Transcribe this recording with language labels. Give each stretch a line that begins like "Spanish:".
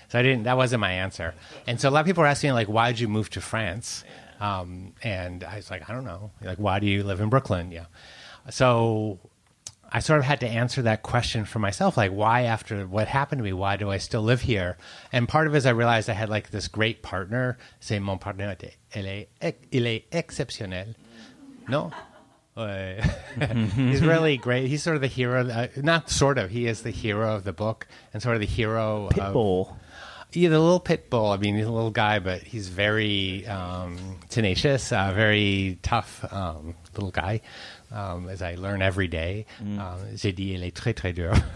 English: So that wasn't my answer. And so a lot of people were asking me, like, why did you move to France? And I was like, I don't know. Like, why do you live in Brooklyn? Yeah. So I sort of had to answer that question for myself, like, why, after what happened to me, why do I still live here? And part of it is I realized I had, like, this great partner.
French: C'est mon partner, il est exceptionnel.
English: No? He's really great. He's sort of the hero. Not sort of. He is the hero of the book and sort of the hero pit of... Pitbull. Yeah, the little pit bull. I mean, he's a little guy, but he's very tenacious, very tough little guy. As I learn every day,
French: j'ai dit il est très très dur.